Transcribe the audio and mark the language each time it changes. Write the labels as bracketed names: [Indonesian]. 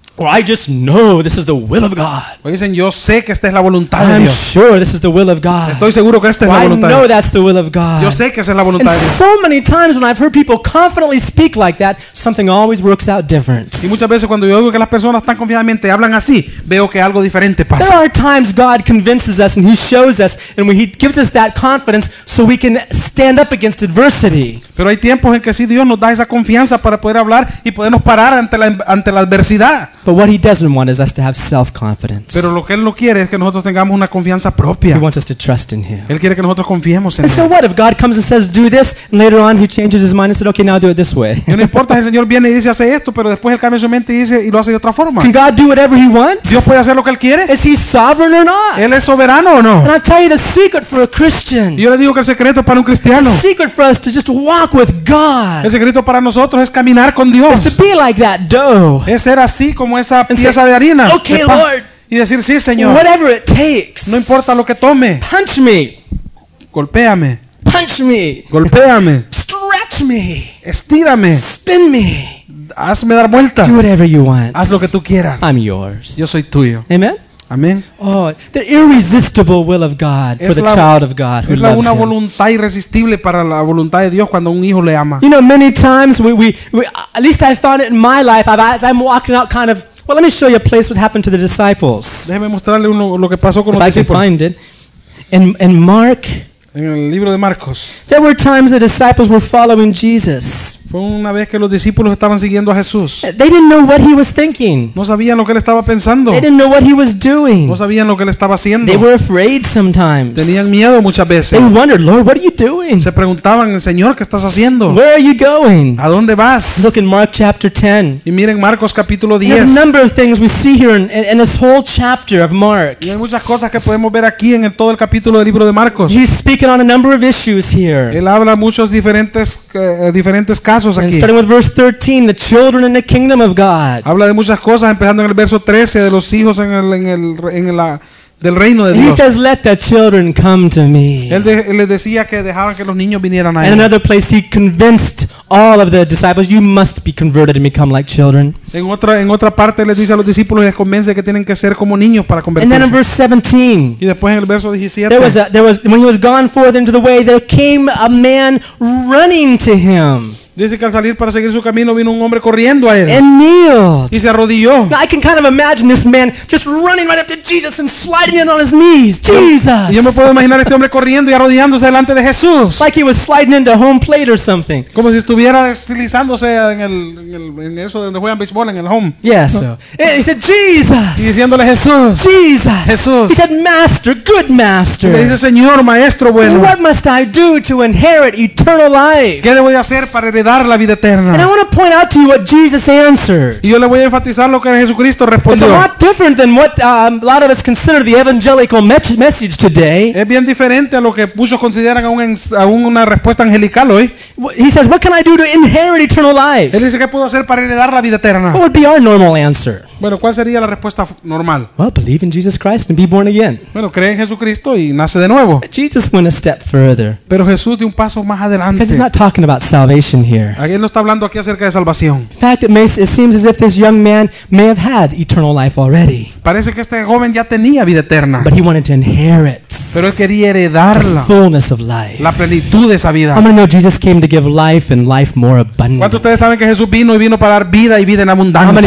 [English] Or I just know this is the will of God. [Spanish] O dicen, yo sé que esta es la voluntad de Dios. [English] I'm sure this is the will of God. [Spanish] Estoy seguro que esta es la voluntad de Dios. [English] I know that's the will of God. [Spanish] Yo sé que esa es la voluntad de Dios. [English] So many times when I've heard people confidently speak like that, something always works out different. [Spanish] Y muchas veces cuando yo oigo que las personas tan confiadamente hablan así, veo que algo diferente pasa. [English] There are times God convinces us and he shows us and when he gives us that confidence so we can stand up against adversity. [Spanish] Pero hay tiempos en que sí Dios nos da esa confianza para poder hablar y podernos parar ante la adversidad. [English] But what he doesn't want is us to have self-confidence. [Spanish] Pero lo que él no quiere es que nosotros tengamos una confianza propia. [English] He wants us to trust in him. [Spanish] Él quiere que nosotros confiemos en él. [English] And so what if God comes and says do this and later on he changes his mind and says okay now do it this way. [Spanish] No importa si el Señor viene y dice hace esto, pero después él cambia su mente y dice y lo hace de otra forma. [English] Can God do whatever he wants? [Spanish] ¿Dios puede hacer lo que él quiere? [English] Is he sovereign or not? [Spanish] ¿Él es soberano o no? [English] And I'll tell you the secret for a Christian. [Spanish] Yo le digo que el secreto para un cristiano. [English] The secret for us to just walk with God. [Spanish] El secreto para nosotros es caminar con Dios. [English] Is to be like that dough. [Spanish] Es ser así como esa pieza say, de harina. [English] Okay, [Spanish] de pan, [English] Lord. [Spanish] Y decir sí, Señor. [English] Whatever it takes. [Spanish] No importa lo que tome. [English] Punch me. [Spanish] Golpéame. [English] Punch me. [Spanish] Golpéame. [English] Stretch me. [Spanish] Estírame. [English] Spin me. [Spanish] Hazme dar vuelta. [English] Do whatever you want. [Spanish] Haz lo que tú quieras. [English] I'm yours. [Spanish] Yo soy tuyo. [English] Amen. [Spanish] Amen. [English] Oh, the irresistible will of God for the child of God who loves him. [Spanish] Es una voluntad irresistible para la voluntad de Dios cuando un hijo le ama. [English] You know, many times we at least I found it in my life. As I'm walking out, kind of. Well, let me show you a place that happened to the disciples. [Spanish] Déjeme mostrarle uno lo que pasó con los discípulos. [English] If I can find it, in Mark. [Spanish] En el libro de Marcos. [English] There were times the disciples were following Jesus. [Spanish] Fue una vez que los discípulos estaban siguiendo a Jesús. [English] They didn't know what he was thinking. [Spanish] No sabían lo que él estaba pensando. [English] They didn't know what he was doing. [Spanish] No sabían lo que él estaba haciendo. [English] They were afraid sometimes. [Spanish] Tenían miedo muchas veces. [English] They wondered, Lord, what are you doing? [Spanish] Se preguntaban, Señor, ¿qué estás haciendo? [English] Where are you going? [Spanish] ¿A dónde vas? [English] Look in Mark chapter 10. [Spanish] Y miren Marcos capítulo 10. [English] There's a number of things we see here in this whole chapter of Mark. [Spanish] Y hay muchas cosas que podemos ver aquí en todo el capítulo del libro de Marcos. [English] He's speaking on a number of issues here. [Spanish] Él habla muchos diferentes casos. [English] And starting with verse 13, the children in the kingdom of God. [Spanish] Habla de muchas cosas, empezando en el verso 13 de los hijos del reino de Dios. [English] He says, "Let the children come to me." [Spanish] Él les decía que dejaban que los niños vinieran a él. [English] In another place, he convinced all of the disciples, "You must be converted and become like children." [Spanish] En otra parte, les dice a los discípulos y les convence que tienen que ser como niños para convertirse. [English] And then in verse 17, [Spanish] y después en el verso 17, [English] there was when he was gone forth into the way, there came a man running to him. [Spanish] Dice que al salir para seguir su camino vino un hombre corriendo a él. [English] And kneeled. [Spanish] Y se arrodilló. [English] Now I can kind of imagine this man just running right up to Jesus and sliding in on his knees. Jesus. [Spanish] Yo me puedo imaginar este hombre corriendo y arrodillándose delante de Jesús. [English] Like he was sliding into home plate or something. [Spanish] Como si estuviera deslizándose en eso donde juegan béisbol en el home. [English] Yes. Yeah, so. He said Jesus. [Spanish] Y diciéndole Jesús. [English] Jesus. [Spanish] Jesús. [English] He said Master, good Master. [Spanish] Le dice Señor, maestro bueno. [English] What must I do to inherit eternal life? [Spanish] ¿Qué debo de hacer para dar la vida eterna? [English] And I want to point out to you what Jesus answered. [Spanish] Y yo le voy a enfatizar lo que Jesucristo respondió. [English] It's a lot different than what a lot of us consider the evangelical message today. [Spanish] Es bien diferente a lo que muchos consideran una respuesta angelical hoy. [English] He says, "What can I do to inherit eternal life?" [Spanish] Él dice, ¿qué puedo hacer para heredar la vida eterna? [English] What would be our normal answer? [Spanish] Bueno, ¿cuál sería la respuesta normal? [English] Well, believe in Jesus Christ and be born again. [Spanish] Bueno, cree en Jesucristo y nace de nuevo. [English] But Jesus went a step further. [Spanish] Pero Jesús dio un paso más adelante. [English] Because he's not talking about salvation here. [Spanish] Aquí no está hablando aquí acerca de salvación. [English] In fact, it seems as if this young man may have had eternal life already. [Spanish] Parece que este joven ya tenía vida eterna. [English] But he wanted to inherit. [Spanish] Pero él quería heredarla. [English] The fullness of life. [Spanish] La plenitud de esa vida. [English] How many know Jesus came to give life and life more abundantly? [Spanish] ¿Cuántos ustedes saben que Jesús vino para dar vida y vida en abundancia?